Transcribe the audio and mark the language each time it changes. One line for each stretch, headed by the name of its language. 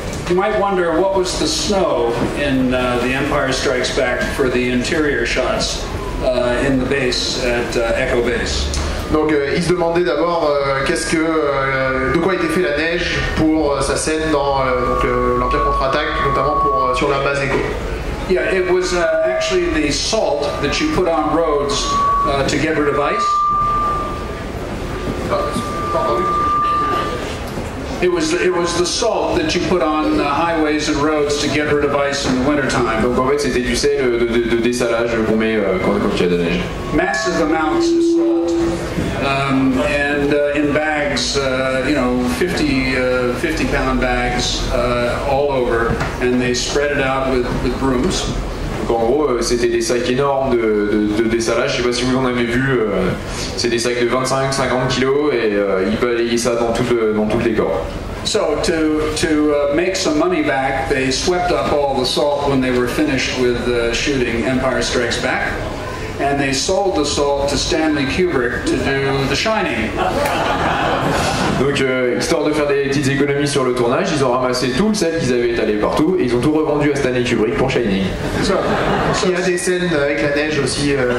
English: You might wonder what was the snow in The Empire Strikes Back for the interior shots in the base at Echo Base.
French: Donc il se demandait d'abord de quoi était fait la neige pour sa scène dans l'Empire contre-attaque, notamment pour sur la base Echo.
English: Yeah, it was actually the salt that you put on roads to get rid of ice. It was the salt that you put on highways and roads to get rid of ice in the wintertime.
French: Donc en fait c'était du sel de dessalage qu'on met quand il y a de neige.
English: Massive amounts of salt and in bags, 50 pound bags all over, and they spread it out with brooms.
French: Donc en gros, c'était des sacs énormes de dessalage. Je sais pas si vous en avez vu, c'est des sacs de 25-50 kilos et ils balayaient ça dans tout le décor.
English: So to make some money back, they swept up all the salt when they were finished with shooting Empire Strikes Back, and they sold the salt to Stanley Kubrick to do The Shining.
French: Donc, histoire de faire des petites économies sur le tournage, ils ont ramassé tout le sel qu'ils avaient étalé partout et ils ont tout revendu à Stanley Kubrick pour Shining. Il y a des scènes avec la neige aussi.